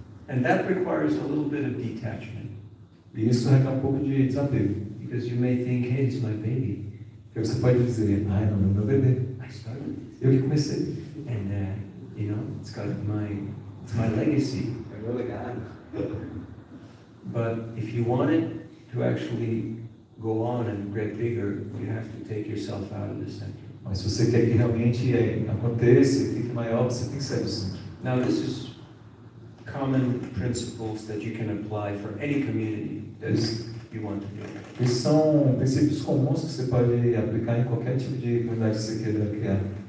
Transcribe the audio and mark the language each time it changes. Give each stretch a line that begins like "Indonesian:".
English: And that requires a little bit of detachment.
Portuguese: E isso requer um pouco de desapego.
English: Because you may think, hey, it's my baby.
Portuguese: Porque você pode dizer, ai, não é meu bebê.
English: I started.
Portuguese: Eu que comecei.
English: And you know, it's got my legacy.
Portuguese: É meu legado.
English: But if you want it to actually go on and get bigger, you have to take yourself out of the center.
Portuguese: Mas se você quer que realmente aconteça e fique maior, você tem que sair do centro.
English: Now this is common principles that you can apply for any community that you want to do.
Portuguese: Esses são princípios comuns que você pode aplicar em qualquer tipo de comunidade que você queira criar.